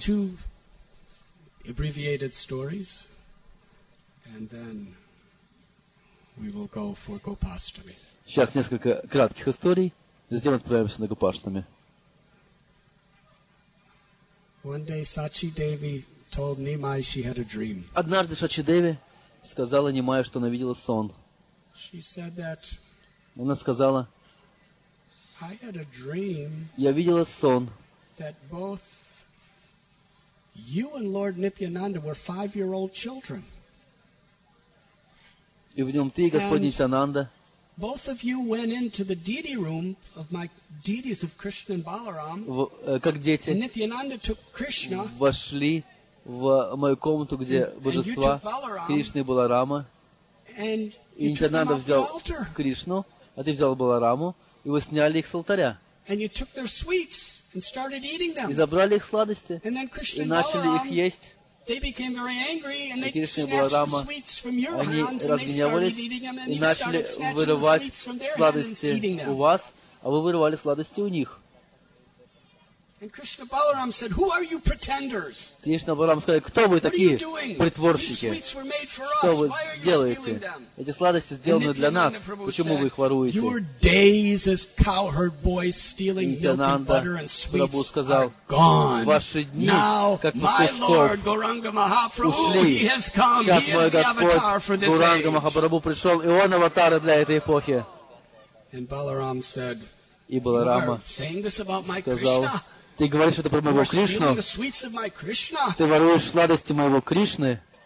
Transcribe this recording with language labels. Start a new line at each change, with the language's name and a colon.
English: Two abbreviated stories, and then we will go for Gopashtami.
Russian: Сейчас несколько кратких историй, затем отправимся на Гопаштами.
English: One day Sachi Devi told Nimai she had a dream.
Russian: Однажды Сачи Деви сказала Нимаю, что она видела сон.
English: She said that.
Russian: Она сказала.
English: I had a dream.
Russian: Я видела сон.
English: That both you and Lord Nityananda were 5-year-old children.
Russian: И в нем ты, Господь Нитьянанда.
English: Both of you went into the deity room of my deities of Krishna and Balaram.
Russian: Как дети.
English: And Nityananda took Krishna.
Russian: Вошли в мою комнату, где божества Кришны и Баларама.
English: And
Russian: Нитьянанда взял Кришну, а ты взял Балараму, и вы сняли их с алтаря.
English: And you took their sweets. And started eating them.
Russian: И забрали их сладости.
English: And then Krishna
Russian: и начали их есть.
English: They became very angry, and they snatched Balarama, the sweets from your hands, and they started eating them, and you
Russian: начали вырывать сладости у вас, а вы вырывали сладости у них.
English: And Krishna Balaram said, "Who are you pretenders?
Russian: Кришна Баларама сказал, кто вы такие притворщики? Что вы делаете? Эти сладости сделаны для нас. Почему вы их воруете?"
English: Your days as cowherd boys stealing milk and butter and sweets are gone.
Russian: Ваши дни, как пастушков, ушли. Сейчас мой Господь Гуранга Махапрабху пришел, и он аватар для этой эпохи.
English: And Balaram said,
Russian: "И Баларама сказал." Ты говоришь это про моего Кришну? Ты воруешь сладости моего Кришны?